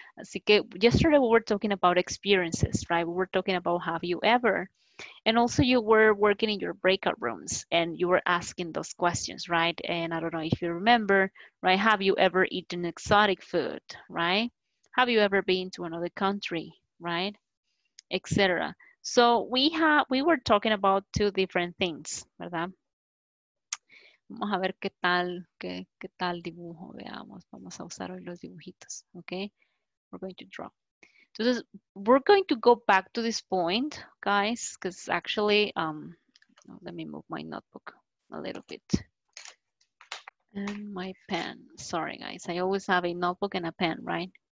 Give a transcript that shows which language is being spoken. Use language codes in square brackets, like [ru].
[es] Así que [en] yesterday we were talking about experiences, right? We were talking about have you ever, and also you were working in your breakout rooms and you were asking those questions, right? And I don't know if you remember, right? Have you ever eaten exotic food, right? Have you ever been to another country, right? Etc. So we were talking about two different things, [es] ¿verdad? Vamos a ver qué tal dibujo, veamos, vamos a usar hoy los dibujitos, okay? [en] We're going to draw. [es] Entonces, [en] we're going to go back to this point, guys, because actually, let me move my notebook a little bit. And my pen, sorry guys, I always have a notebook and a pen, right?